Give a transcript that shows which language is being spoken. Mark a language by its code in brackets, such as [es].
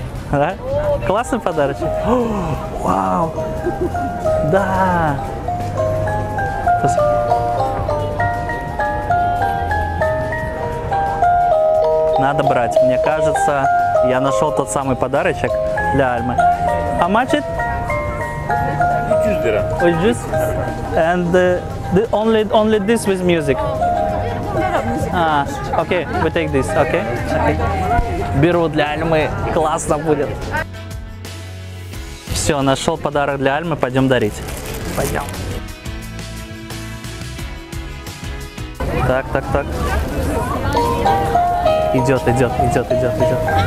[ru] Да? Классный подарочек. О, вау! Да! Надо брать. Мне кажется, я нашел тот самый подарочек для Альмы. [en] How much it? $200. And only this with music. Окей, we take this, окей? Okay? [ru] Беру для Альмы, классно будет. Все, нашел подарок для Альмы, пойдем дарить. Пойдем. Так, так, так. Идет, идет, идет, идет, идет.